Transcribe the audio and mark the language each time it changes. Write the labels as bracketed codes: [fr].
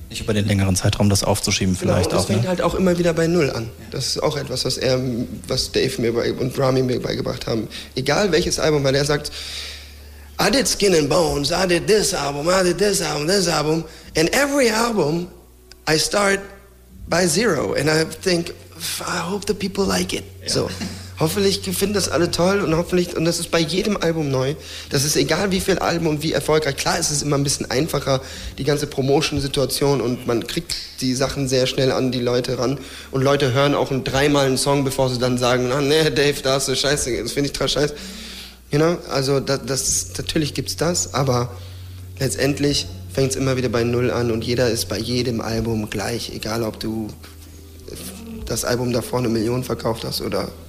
[de] Nicht über den längeren Zeitraum das aufzuschieben vielleicht genau, das fängt ne? halt auch immer wieder bei Null an. Das ist auch etwas, was Dave mir und Rami mir beigebracht haben. Egal welches Album, weil er sagt, [en] I did Skin and Bones, I did this album, I did this album, this album. And every album, I start by zero. And I think, I hope the people like it. [de] Ja. So. Hoffentlich finden das alle toll und hoffentlich, und das ist bei jedem Album neu, das ist egal wie viel Album und wie erfolgreich, klar ist es immer ein bisschen einfacher, die ganze Promotion-Situation und man kriegt die Sachen sehr schnell an die Leute ran und Leute hören auch dreimal einen Song, bevor sie dann sagen, ah nee, Dave, da hast du Scheiße, das finde ich total scheiße, you know, also das natürlich gibt's das, aber letztendlich fängt es immer wieder bei Null an und jeder ist bei jedem Album gleich, egal ob du das Album davor eine Million verkauft hast oder